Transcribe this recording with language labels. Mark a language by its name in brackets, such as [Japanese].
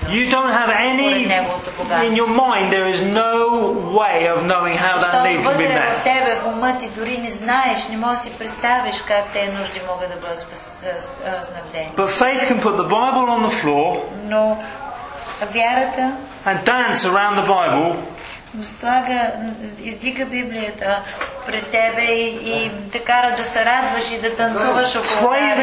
[Bulgarian] нужди. [English] You don't have any in your mind, there is no way of knowing how that need can be met. [Bulgarian] Вътре в тебе, в ума ти, дори не знаеш, не можеш да си представиш как тези нужди могат да бъдат снабдени. [English] But faith can put the Bible on the floor, [Bulgarian] но вярата, [English] and dance around the Bible, [Bulgarian] слага, издига Библията пред тебе и те кара да се радваш и да танцуваш около